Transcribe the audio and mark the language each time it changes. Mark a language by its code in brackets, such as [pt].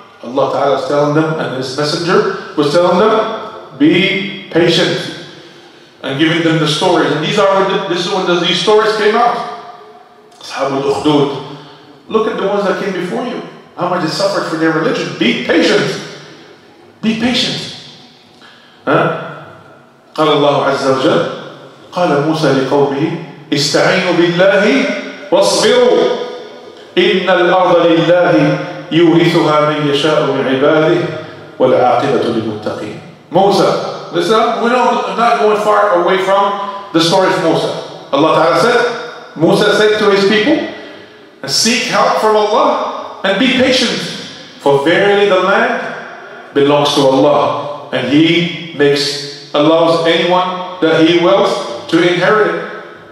[en] Allah Ta'ala is telling them, and His Messenger was telling them, be patient, and giving them the stories. And these stories came out. Ashabul Ukhdud. Look at the ones that came before you. How much they suffered for their religion. Be patient. Be patient. [ar] قال الله عز وجل قال موسى لقومه استعينوا بالله واصبروا إن الأرض لله يورثها من يشاء من عباده والعاقبة للمتقين. [en] موسى, listen up. We know, I'm not going far away from the story of Musa. Allah Ta'ala said, Musa said to his people, seek help from Allah and be patient, for verily the land belongs to Allah, and He makes, allows anyone that He wills to inherit it.